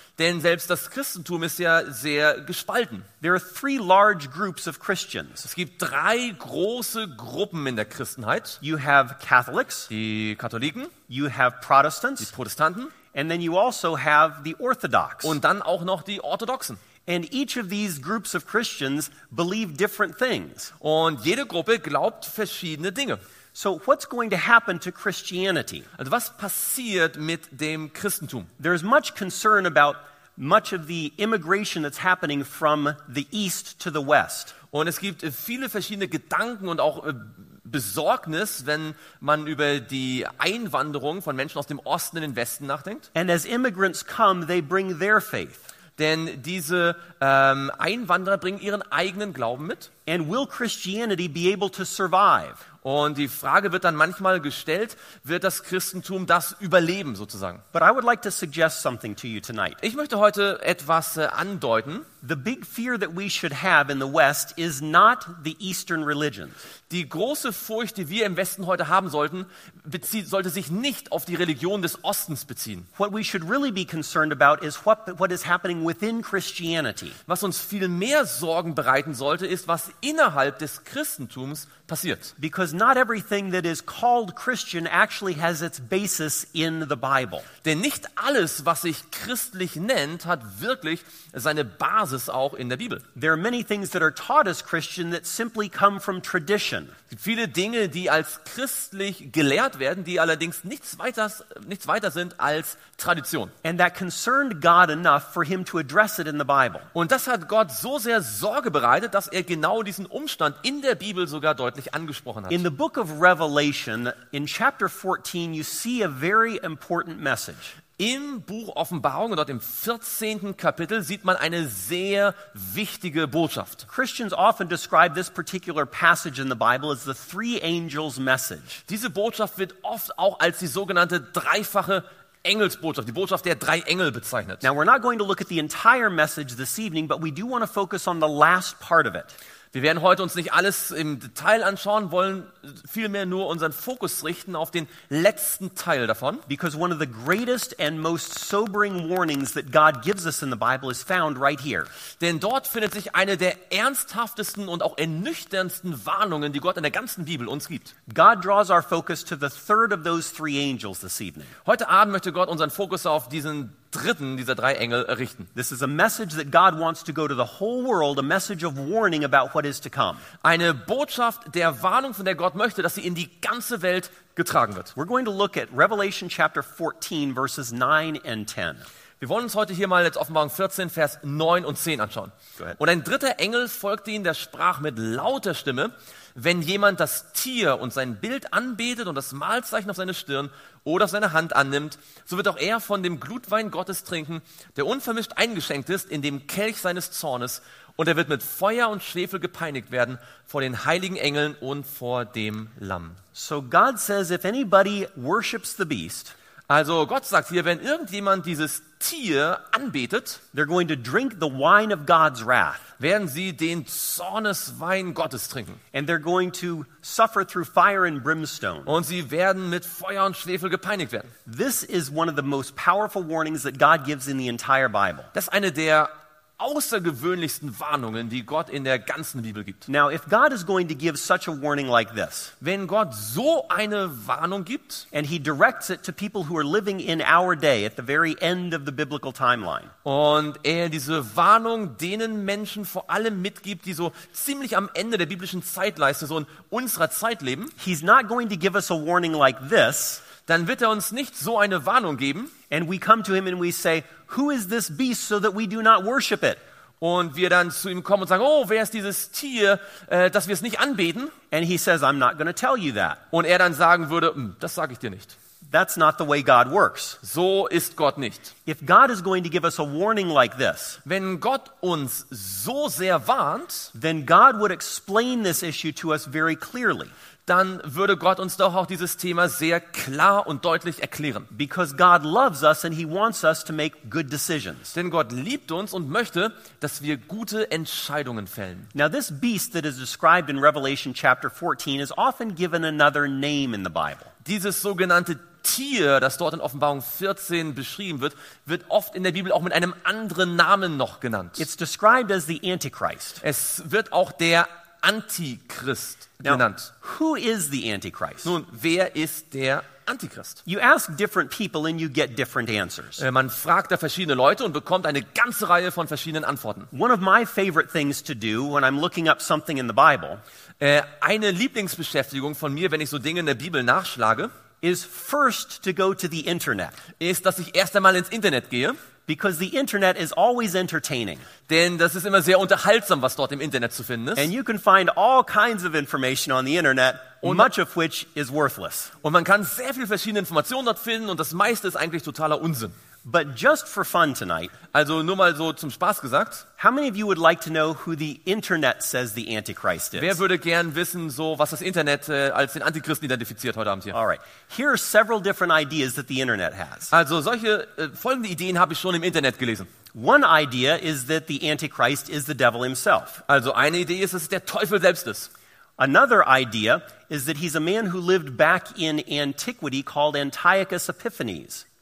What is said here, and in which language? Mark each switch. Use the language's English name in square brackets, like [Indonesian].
[German] Denn selbst das Christentum ist ja sehr gespalten. [English] There are three large groups of Christians. [German] Es gibt drei große Gruppen in der Christenheit. [English] You have Catholics, [German] die Katholiken. [English] You have Protestants, [German] die Protestanten. [English] And then you also have the Orthodox. [German] Und dann auch noch die Orthodoxen. [English] And each of these groups of Christians believe different things. [German] Und jede Gruppe glaubt verschiedene Dinge. [English] So what's going to happen to Christianity? [German] Also was passiert mit dem Christentum? [English] There's much concern about much of the immigration that's happening from the East to the West. [German] Und es gibt viele verschiedene Gedanken und auch Besorgnis, wenn man über die Einwanderung von Menschen aus dem Osten in den Westen nachdenkt. [English] And as immigrants come, they bring their faith. [German] Denn diese Einwanderer bringen ihren eigenen Glauben mit. [English] And will Christianity be able to survive? [German] Und die Frage wird dann manchmal gestellt, wird das Christentum das überleben sozusagen? [English] But I would like to suggest something to you tonight. [German] Ich möchte heute etwas andeuten. [English] The big fear that we should have in the West is not the Eastern religions. [German] Die große Furcht, die wir im Westen heute haben sollten, sollte sich nicht auf die Religion des Ostens beziehen. [English] What we should really be concerned about is what is happening within Christianity. [German] Was uns viel mehr Sorgen bereiten sollte, ist, was innerhalb des Christentums passiert. [English] Because not everything that is called Christian actually has its basis in the Bible. [German] Denn nicht alles, was sich christlich nennt, hat wirklich seine Basis auch in der Bibel. [English] There are many things that are taught as Christian that simply come from tradition. [German] Es gibt viele Dinge, die als christlich gelehrt werden, die allerdings nichts weiter sind als Tradition. [English] And that concerned God enough for him to address it in the Bible. [German] Und das hat Gott so sehr Sorge bereitet, dass er genau diesen Umstand in der Bibel sogar deutlich angesprochen hat. [English] In the book of Revelation, in chapter 14, you see a very important message. [German] Im Buch Offenbarung, dort im 14. Kapitel, sieht man eine sehr wichtige Botschaft. [English] Christians often describe this particular passage in the Bible as the three angels' message. [German] Diese Botschaft wird oft auch als die sogenannte dreifache Engelsbotschaft, die Botschaft der drei Engel bezeichnet. [English] Now we're not going to look at the entire message this evening, but we do want to focus on the last part of it. [German] Wir werden heute uns nicht alles im Detail anschauen, wollen vielmehr nur unseren Fokus richten auf den letzten Teil davon. [English] Because one of the greatest and most sobering warnings that God gives us in the Bible is found right here. [German] Denn dort findet sich eine der ernsthaftesten und auch ernüchterndsten Warnungen, die Gott in der ganzen Bibel uns gibt. [English] God draws our focus to the third of those three angels this evening. [German] Heute Abend möchte Gott unseren Fokus auf diesen dritten dieser drei Engel richten. [English] This is a message that God wants to go to the whole world, a message of warning about what is to come. [German] Eine Botschaft der Warnung, von der Gott möchte, dass sie in die ganze Welt getragen wird. [English] We're going to look at Revelation chapter 14 verses 9 and 10. [German] Wir wollen uns heute hier mal jetzt Offenbarung 14 Vers 9 und 10 anschauen. [English] Go ahead. [German] Und ein dritter Engel folgte ihnen, der sprach mit lauter Stimme: Wenn jemand das Tier und sein Bild anbetet und das Malzeichen auf seine Stirn oder auf seine Hand annimmt, so wird auch er von dem Glutwein Gottes trinken, der unvermischt eingeschenkt ist in dem Kelch seines Zornes, und er wird mit Feuer und Schwefel gepeinigt werden vor den heiligen Engeln und vor dem Lamm. [English] So God says, if anybody worships the beast, [German] also Gott sagt hier, wenn irgendjemand dieses Tier anbetet, [English] they're going to drink the wine of God's wrath, [German] werden sie den Zorneswein Gottes trinken. [English] And they're going to suffer through fire and brimstone. [German] Und sie werden mit Feuer und Schwefel gepeinigt werden. [English] This is one of the most powerful warnings that God gives in the entire Bible. [German] Das ist eine der außergewöhnlichsten Warnungen, die Gott in der ganzen Bibel gibt. [English] Now, if God is going to give such a warning like this, [German] wenn Gott so eine Warnung gibt, [English] and he directs it to people who are living in our day at the very end of the biblical timeline, [German] und er diese Warnung denen Menschen vor allem mitgibt, die so ziemlich am Ende der biblischen Zeitleiste, so in unserer Zeit leben, [English] he's not going to give us a warning like this, [German] dann wird er uns nicht so eine Warnung geben. [English] And we come to him and we say, who is this beast so that we do not worship it? [German] Und wir dann zu ihm kommen und sagen, oh, wer ist dieses Tier, dass wir es nicht anbeten? [English] And he says, I'm not going to tell you that. [German] Und er dann sagen würde, das sage ich dir nicht. [English] That's not the way God works. [German] So ist Gott nicht. [English] If God is going to give us a warning like this, [German] wenn Gott uns so sehr warnt, [English] then God would explain this issue to us very clearly. [German] Dann würde Gott uns doch auch dieses Thema sehr klar und deutlich erklären. [English] Because God loves us and he wants us to make good decisions. [German] Denn Gott liebt uns und möchte, dass wir gute Entscheidungen fällen. [English] Now this beast that is described in Revelation chapter 14 is often given another name in the Bible. [German] Dieses sogenannte Tier, das dort in Offenbarung 14 beschrieben wird, wird oft in der Bibel auch mit einem anderen Namen noch genannt. [English] It's described as the Antichrist. [German] Es wird auch der Antichrist genannt. [English] Now, who is the Antichrist? [German] Nun, wer ist der Antichrist? [English] You ask different people and you get different answers. [German] Man fragt da verschiedene Leute und bekommt eine ganze Reihe von verschiedenen Antworten. [English] One of my favorite things to do when I'm looking up something in the Bible, [German] eine Lieblingsbeschäftigung von mir, wenn ich so Dinge in der Bibel nachschlage, [English] is first to go to the internet. [German] Ist, dass ich erst einmal ins Internet gehe. [English] Because the internet is always entertaining. [German] Denn das ist immer sehr unterhaltsam, was dort im Internet zu finden ist. [English] And you can find all kinds of information on the internet, [German] und [English] much of which is worthless. [German] Und man kann sehr viel verschiedene Informationen dort finden und das meiste ist eigentlich totaler Unsinn. [English] But just for fun tonight, [German] also nur mal so zum Spaß gesagt, [English] how many of you would like to know who the internet says the Antichrist is? [German] Wer würde gern wissen, so was das Internet als den Antichristen identifiziert heute Abend hier? [English] All right. Here are several different ideas that the internet has. [German] Also solche folgende Ideen habe ich schon im Internet gelesen. [English] One idea is that the Antichrist is the devil himself. [German] Also eine Idee ist, dass es der Teufel selbst ist. [English] Another idea is that he's a man who lived back in antiquity called Antiochus Epiphanes.